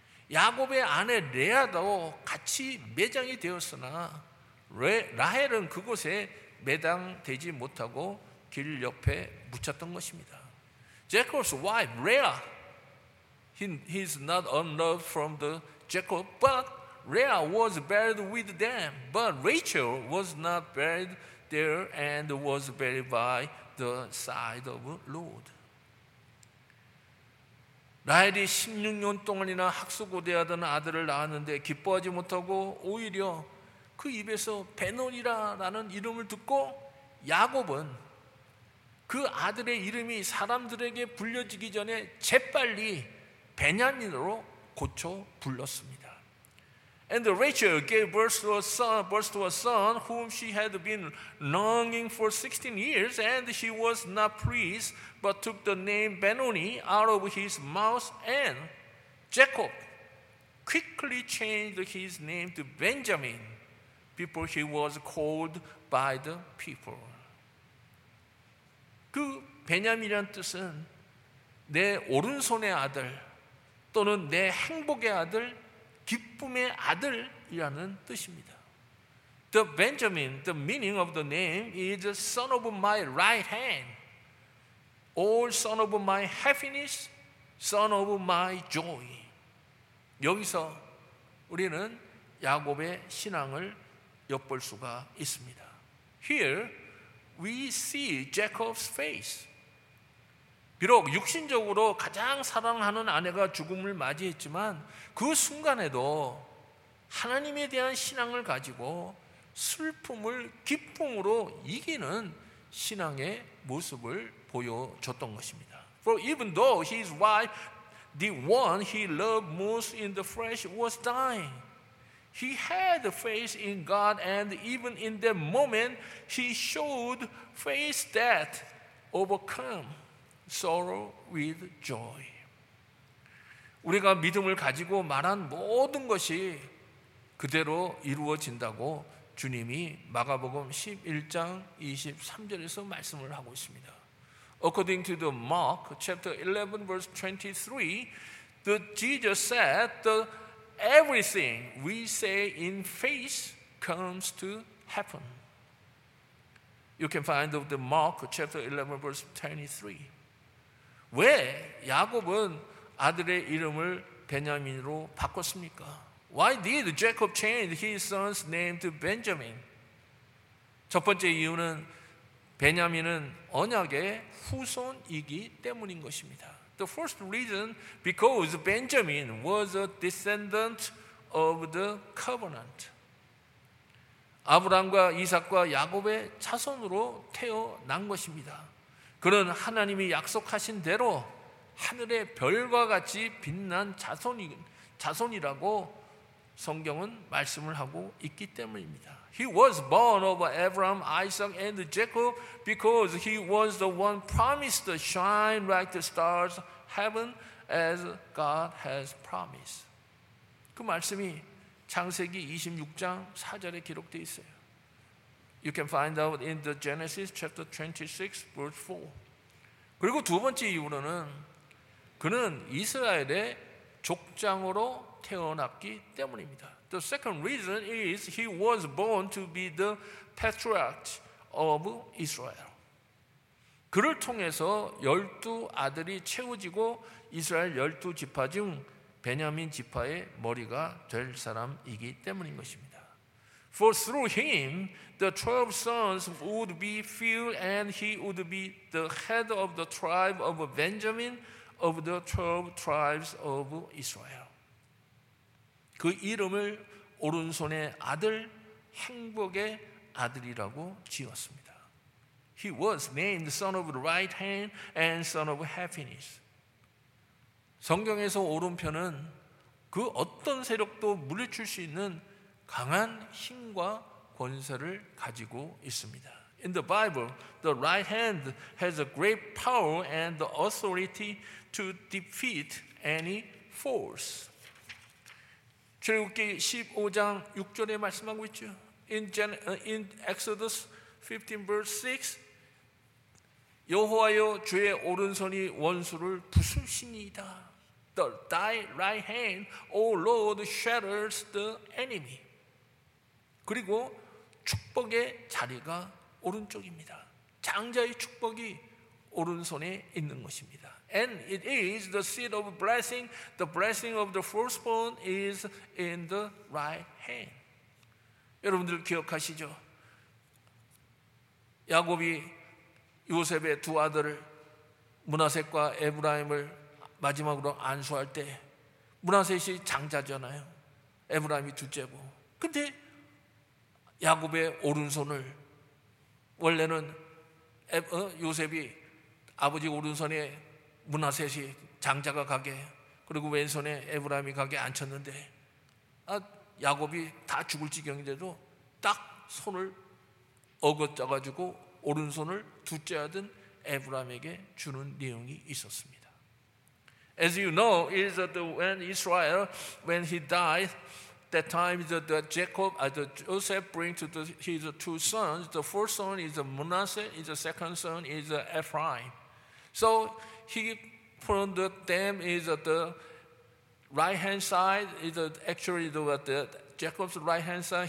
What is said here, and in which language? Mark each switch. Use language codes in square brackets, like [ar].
[ko] 야곱의 아내 레아도 같이 매장이 되었으나 라헬은 그곳에 매장되지 못하고 길 옆에 묻혔던 것입니다. [en] Jacob's wife, Leah, he's not unloved from the Jacob, but Leah was buried with them, but Rachel was not buried there and was buried by the side of the Lord. [ko] 라헬이 16년 동안이나 학수고대하던 아들을 낳았는데 기뻐하지 못하고 오히려 그 입에서 베논이라는 이름을 듣고 야곱은 그 아들의 이름이 사람들에게 불려지기 전에 재빨리 베냐민으로 고쳐 불렀습니다. [en] And Rachel gave birth to a son whom she had been longing for 16 years, and she was not pleased, but took the name Benoni out of his mouth, and Jacob quickly changed his name to Benjamin before he was called by the people. [ko] 그 베냐민이란 뜻은 내 오른손의 아들 또는 내 행복의 아들 기쁨의 아들이라는 뜻입니다. [en] The Benjamin, the meaning of the name, is the son of my right hand. All son of my happiness, son of my joy. [ko] 여기서 우리는 야곱의 신앙을 엿볼 수가 있습니다. [en] Here we see Jacob's faith. [ko] 비록 육신적으로 가장 사랑하는 아내가 죽음을 맞이했지만 그 순간에도 하나님에 대한 신앙을 가지고 슬픔을 기쁨으로 이기는 신앙의 모습을 보여줬던 것입니다. [en] For even though his wife, the one he loved most in the flesh, was dying, he had faith in God, and even in that moment, he showed faith that overcome sorrow with joy. [ko] 우리가 믿음을 가지고 말한 모든 것이 그대로 이루어진다고 주님이 마가복음 11장 23절에서 말씀을 하고 있습니다. [en] According to the Mark chapter 11 verse 23, the Jesus said that everything we say in faith comes to happen. You can find the Mark chapter 11 verse 23. [ko] 왜 야곱은 아들의 이름을 베냐민으로 바꿨습니까? [en] Why did Jacob change his son's name to Benjamin? [ko] 첫 번째 이유는 베냐민은 언약의 후손이기 때문인 것입니다. [en] The first reason, because Benjamin was a descendant of the covenant. [ko] 아브라함과 이삭과 야곱의 자손으로 태어난 것입니다. 그는 하나님이 약속하신 대로 하늘의 별과 같이 빛난 자손이라고 성경은 말씀을 하고 있기 때문입니다. [en] He was born of Abraham, Isaac, and Jacob because he was the one promised to shine like the stars heaven as God has promised. [ko] 그 말씀이 창세기 26장 4절에 기록되어 있어요. [en] You can find out in the Genesis chapter 26 verse 4. [ko] 그리고 두 번째 이유로는 그는 이스라엘의 족장으로 태어났기 때문입니다. [en] The second reason is he was born to be the patriarch of Israel. [ko] 그를 통해서 열두 아들이 채워지고 이스라엘 열두 지파 중 베냐민 지파의 머리가 될 사람이기 때문인 것입니다. [en] For through him, the 12 sons would be filled and he would be the head of the tribe of Benjamin of the 12 tribes of Israel. [ko] 그 이름을 오른손의 아들, 행복의 아들이라고 지었습니다. [en] He was named son of the right hand and son of happiness. [ko] 성경에서 오른편은 그 어떤 세력도 물리칠 수 있는 강한 힘과 권세를 가지고 있습니다. [en] In the Bible, the right hand has a great power and the authority to defeat any force. [ko] 출애굽기 15장 6절에 말씀하고 있죠. [en] In Exodus 15 verse 6, [ko] 여호와여 주의 오른손이 원수를 부수시니이다. [en] Thy right hand, O Lord, shatters the enemy. [ko] 그리고 축복의 자리가 오른쪽입니다. 장자의 축복이 오른손에 있는 것입니다. [en] And it is the seat of blessing. The blessing of the firstborn is in the right hand. [ko] 여러분들 기억하시죠? 야곱이 요셉의 두 아들을 므낫셋과 에브라임을 마지막으로 안수할 때 므낫셋이 장자잖아요. 에브라임이 둘째고. 근데 야곱의 오른손을 원래는 요셉이 아버지 오른손에 므낫셋이 장자가 가게 그리고 왼손에 에브라임이 가게 앉혔는데 야곱이 다 죽을 지경인데도 딱 손을 어긋져가지고 오른손을 둘째 아들 에브라임에게 주는 내용이 있었습니다. [en] As you know, is that when Israel, when he died, that time Joseph brings to his two sons. The first son is Manasseh, the second son is Ephraim. So he from them is at the right hand side is actually the Jacob's right hand side.